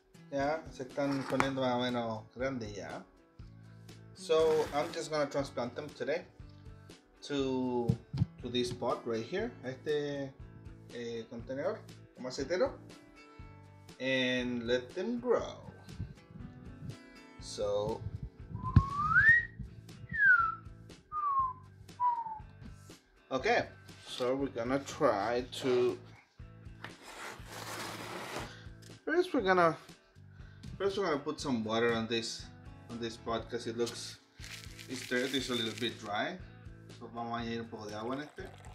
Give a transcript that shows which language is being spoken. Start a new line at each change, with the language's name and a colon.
Spanish: Yeah, se están poniendo más o menos grandes ya.
English: So I'm just gonna transplant them today to this pot right here,
Spanish: este contenedor, macetero,
English: and let them grow. So okay, so we're gonna try to first we're gonna put some water on this pot because it looks it's dirt, it's a little bit dry.
Spanish: So vamos a añadir un poco de agua en este.